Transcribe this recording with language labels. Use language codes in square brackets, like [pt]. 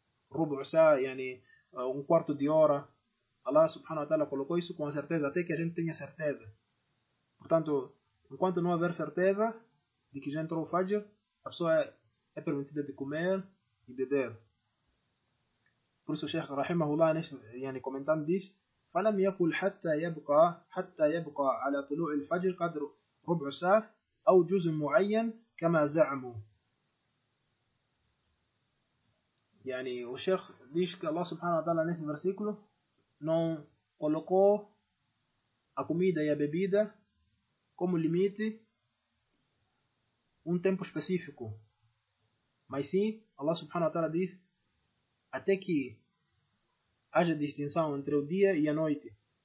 [pt] Rubu' sa'a, um quarto de hora. Allah subhanahu wa ta'ala colocou isso com a certeza, até que a gente tenha certeza. Portanto, enquanto não houver certeza de que já entrou o Fajr, a pessoa é permitida de comer e beber. Por isso o Sheikh Rahimahullah, comentando, diz: [ar] فَلَمْ يَقُلْ حَتَّى يَبْقَى عَلَى طُلُوعِ الْفَجْرِ قَدْرُ رُبْعُ سَاعَةٍ أو جزء معين كما زعموا. [pt] O Sheikh diz que Allah subhanahu wa ta'ala nesse versículo não colocou a comida e a bebida como limite um tempo específico. Mas sim, Allah subhanahu wa ta'ala diz até que haja distinção entre o dia e a noite.